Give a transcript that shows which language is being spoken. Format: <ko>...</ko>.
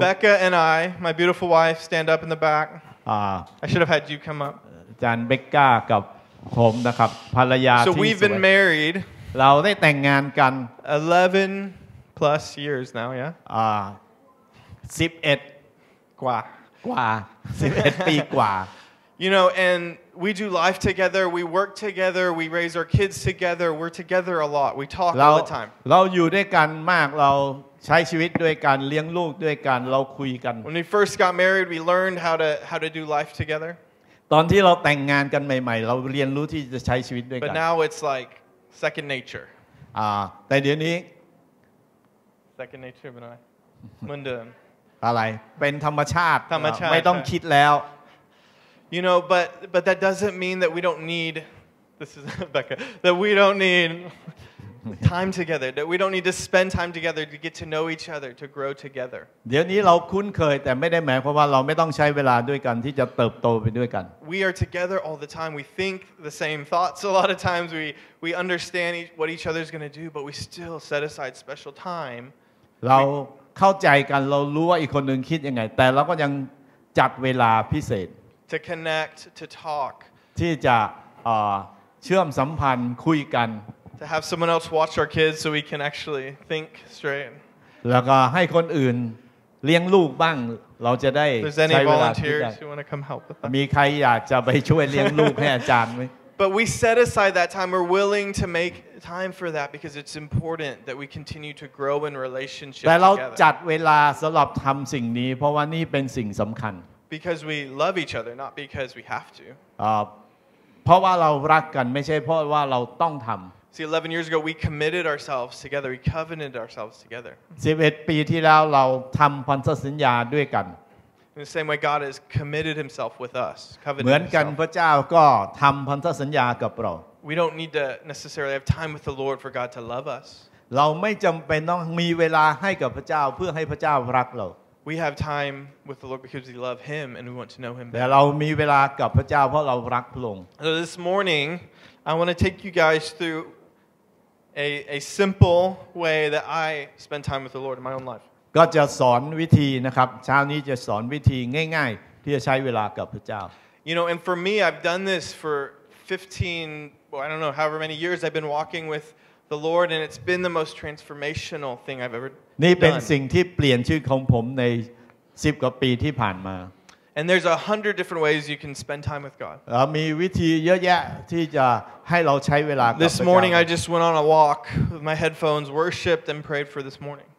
<en>Becca and I, my beautiful wife, stand up in the back. I should have had you come up.</en> <th>จานเบกก้ากับผมนะครับภรรยาที่</th> <en>So we've been married.</en> <th>เราได้แต่งงานกัน</th> <en>11 plus years now, yeah. 11</en> <th>กว่าก ว่า11ปีกว่า</th> <en>You know, and we do life together, we work together, we raise our kids together, we're together a lot. We talk all the time.</en> <th>เราอยู่ด้วยกันมากเราใช้ชีวิตด้วยกันเลี้ยงลูกด้วยกันเราคุยกัน</th> <en>When we first got married, we learned how to do life together.</en> <th>ตอนที่เราแต่งงานกันใหม่ๆเราเรียนรู้ที่จะใช้ชีวิตด้วยกั น</th> <en>But now it's like second nature.</en> <th>แต่เดี๋ยวนี้</th> <en>second nature but I mundane</en> <th>อะไรเป็นธรรมชาติ ธรรมชาติ ไม่ต้องคิดแล้ว</th> <en>You know but that doesn't mean that we don't need this is Becca that we don't needtime together that we don't need to spend time together to get to know each other to grow together</en> <th>เดี๋ยวนี้เราคุ้นเคยแต่ไม่ได้หมายความว่าเราไม่ต้องใช้เวลาด้วยกันที่จะเติบโตไปด้วยกัน</th> <en>We are together all the time we think the same thoughts a lot of times we understand what each other is going to do but we still set aside special time</en> <th>เราเข้าใจกันเรารู้ว่าอีกคนนึงคิดยังไงแต่เราก็ยังจัดเวลาพิเศษ</th> <en>to connect to talk</en> <th>ที่จะเชื่อมสัมพันธ์คุยกัน</th> <en>To have someone else watch our kids so we can actually think straight.</en> <th>แล้วก็ให้คนอื่นเลี้ยงลูกบ้างเราจะได้ใช้เวลาที่ได้ มีใครอยากจะไปช่วยเลี้ยงลูกให้อาจารย์ไหม</th> <en>But we set aside that time. We're willing to make time for that because it's important that we continue to grow in relationship.</en> <th>แต่เราจัดเวลาสำหรับทำสิ่งนี้เพราะว่านี่เป็นสิ่งสำคัญ</th> <en>Because we love each other, not because we have to.</en> <th>เพราะว่าเรารักกันไม่ใช่เพราะว่าเราต้องทำ</th> <en>See, 11 years ago, we committed ourselves together. We covenanted ourselves together.</en> <th>11ปีที่แล้วเราทำพันธสัญญาด้วยกัน</th> <en>In the same way, God has committed Himself with us.</en> <th>เหมือนกันพระเจ้าก็ทำพันธสัญญากับเรา</th> <en>We don't need to necessarily have time with the Lord for God to love us.</en> <th>เราไม่จำเป็นต้องมีเวลาให้กับพระเจ้าเพื่อให้พระเจ้ารักเรา</th> <en>We have time with the Lord because we love Him and we want to know Him.</en> <th>แต่เรามีเวลากับพระเจ้าเพราะเรารักพระองค์</th> <en>So this morning, I want to take you guys through. A simple way that I spend time with the Lord in my own life.</en> <th>ก็จะสอนวิธีนะครับเช้านี้จะสอนวิธีง่ายๆที่จะใช้เวลากับพระเจ้า</th> <en>You know, and for me, I've done this for 15, well, I don't know, however many years I've been walking with the Lord, and it's been the most transformational thing I've ever done.</en> <th>นี่เป็นสิ่งที่เปลี่ยนชีวิตของผมใน10กว่าปีที่ผ่านมา</th> <en>And there's 100 different ways you can spend time with God.</en> <th>มีวิธีเยอะแยะที่จะให้เราใช้เวลากับ</th> <en>This morning I just went on a walk with my headphones, worshiped and prayed for this morning.</en>